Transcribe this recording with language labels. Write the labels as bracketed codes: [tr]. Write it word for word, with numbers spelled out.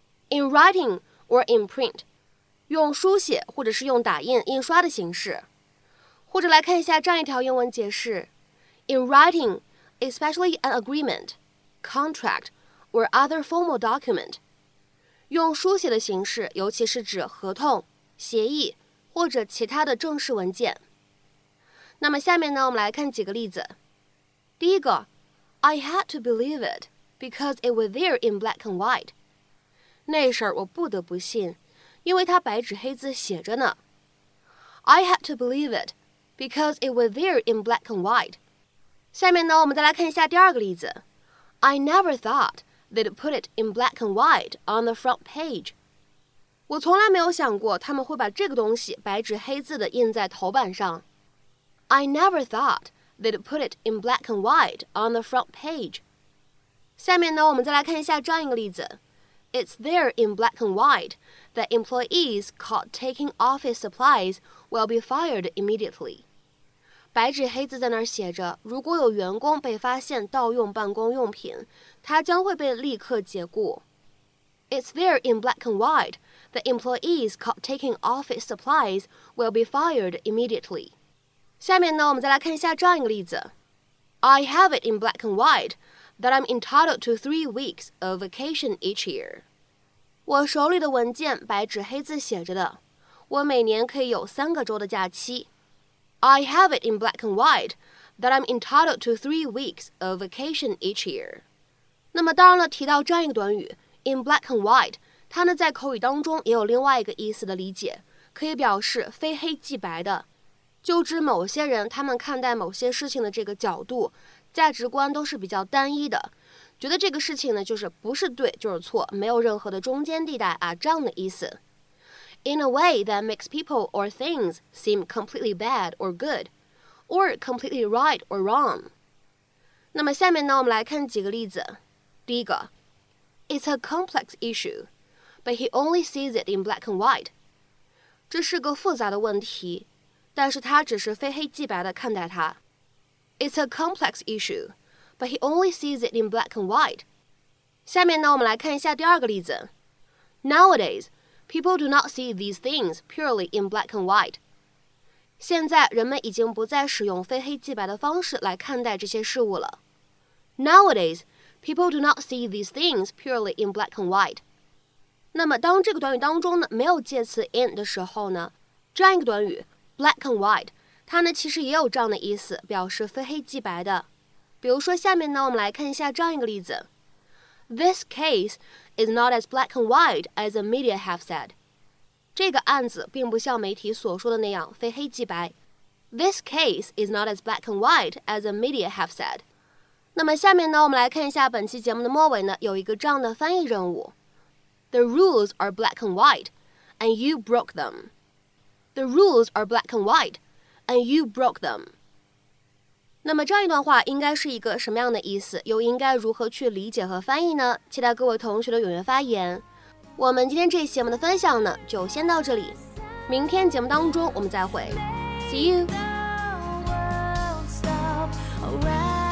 [en] In writing or in print. [zh] 用书写或者是用打印印刷的形式，或者来看一下这样一条英文解释 [en] In writing, especially an agreement, contract, or other formal document [zh] 用书写的形式，尤其是指合同、协议或者其他的正式文件。那么下面呢，我们来看几个例子。第一个 [en] I had to believe it because it was there in black and white [zh] 那事儿我不得不信，因为它白纸黑字写着呢。 [en] I had to believe it because it was there in black and white [zh] 下面呢，我们再来看一下第二个例子。 [en] I never thought they'd put it in black and white on the front page [zh] 我从来没有想过他们会把这个东西白纸黑字的印在头版上。 [en] I never thought they'd put it in black and white on the front page [zh] 下面呢，我们再来看一下这样一个例子。 [en] It's there in black and white that employees caught taking office supplies will be fired immediately. [zh] 白纸黑字在那儿写着，如果有员工被发现盗用办公用品，他将会被立刻解雇。 [en] It's there in black and white that employees caught taking office supplies will be fired immediately. [zh] 下面呢，我们再来看一下这样一个例子。 [en] I have it in black and white. That I'm entitled to three weeks of vacation each year. [zh] 我手里的文件白纸黑字写着的，我每年可以有三个周的假期。 [en] I have it in black and white that I'm entitled to three weeks of vacation each year. [zh] 那么当然了，提到这样一个短语 in black and white， 它呢在口语当中也有另外一个意思的理解，可以表示非黑即白的，就指某些人他们看待某些事情的这个角度。价值观都是比较单一的，觉得这个事情呢就是不是对就是错，没有任何的中间地带啊，这样的意思。 [en] in a way that makes people or things seem completely bad or good, or completely right or wrong. [zh] 那么下面呢，我们来看几个例子。第一个 [en] It's a complex issue, but he only sees it in black and white. [zh] 这是个复杂的问题，但是他只是非黑即白地看待它。 [en] It's a complex issue, but he only sees it in black and white. [zh] 下面呢，我们来看一下第二个例子。 [en] Nowadays, people do not see these things purely in black and white. [zh] 现在人们已经不再使用非黑即白的方式来看待这些事物了。 [en] Nowadays, people do not see these things purely in black and white. [zh] 那么当这个短语当中呢，没有介词 in 的时候呢，这样一个短语 black and white， 它呢其实也有这样的意思，表示非黑即白的。比如说下面呢，我们来看一下这样一个例子。 [en] This case is not as black and white as the media have said. [zh] 这个案子并不像媒体所说的那样非黑即白。 [en] This case is not as black and white as the media have said. [zh] 那么下面呢，我们来看一下本期节目的末尾呢，有一个这样的翻译任务。 [en] The rules are black and white, and you broke them. The rules are black and white, and you broke them. [zh] 那么这样一段话应该是一个什么样的意思，又应该如何去理解和翻译呢？期待各位同学的踊跃发言。我们今天这一期节目的分享呢，就先到这里。明天节目当中我们再会。 [en] See you!